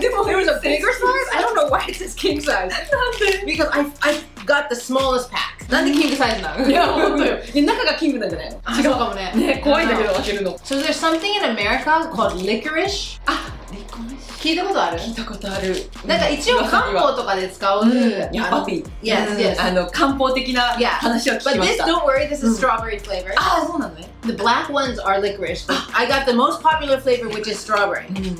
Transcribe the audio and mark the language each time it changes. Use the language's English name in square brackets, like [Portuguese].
[English] でも there was a bigger size。I don't know why it says king size。 [Japanese] なんで？ [English] Because I got the smallest pack。 [Japanese] なんでキングサイズなの？いや、本当よ。中がキングなんじゃないの？違うかもね。ね、怖いんだけど開けるの。 [English] So there's something in America called licorice? [Japanese] あ、licorice。聞いたことある？聞いたことある。なんか一応漢方とかで使う。うん、やっぱり。 [English] Yes, yes. [Japanese] あの、漢方的な話を聞きました。 [English] But this, don't worry, this is strawberry flavor. [Japanese] あ、そうなのね。 [English] The black ones are licorice. I got the most popular flavor, which is strawberry.